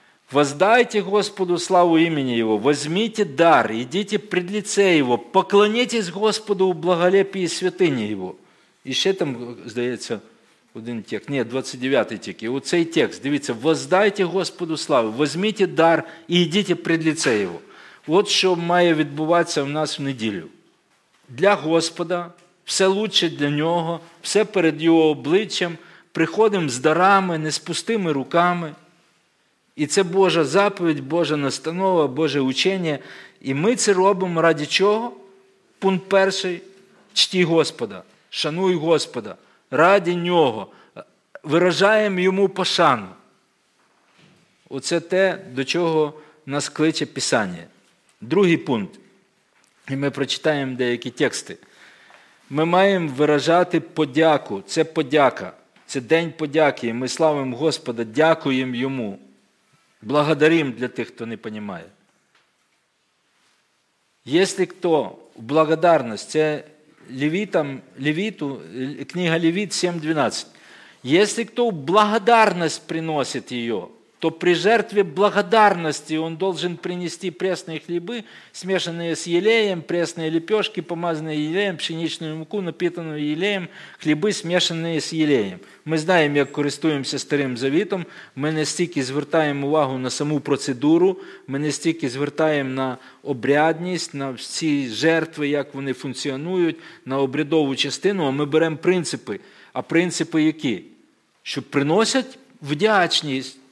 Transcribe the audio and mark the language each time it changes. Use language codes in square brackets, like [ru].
[ru] Воздайте Господу славу имени Его, возьмите дар, идите пред лице Его, поклонитесь Господу в благолепии святыни Его. И еще там, здається, один текст, нет, 29-й текст. И вот [uk] цей текст, дивіться, [ru] воздайте Господу славу, возьмите дар и идите пред лице Его. [uk] Вот что має відбуватися в нас в неділю. Для Господа, все лучше для Него, все перед Его обличчям, приходимо з дарами, не з пустими руками. І це Божа заповідь, Божа настанова, Боже учення. І ми це робимо ради чого? Пункт перший – чті Господа, шануй Господа, ради Нього. Виражаємо Йому пошану. Оце те, до чого нас кличе Писання. Другий пункт. І ми прочитаємо деякі тексти. Ми маємо виражати подяку. Це подяка. Це день подяки. І ми славимо Господа, дякуємо Йому. Благодарим для тих, хто не понімає. Якщо хто благодарність, це Левітам, Левіту, книга Левіт 7.12. Якщо хто благодарність приносить її, то при жертві благодарності [ru] он должен принести пресные хлебы, смешанные с елеем, пресные лепешки, помазанные елеем, пшеничную муку, напитанную елеем, хлебы, смешанные с елеем. [uk] Ми знаємо, як користуємося Старим Завітом, ми не стільки звертаємо увагу на саму процедуру, ми не стільки звертаємо на обрядність, на всі жертви, як вони функціонують, на обрядову частину, а ми беремо принципи. А принципи які? Що приносять вдячність.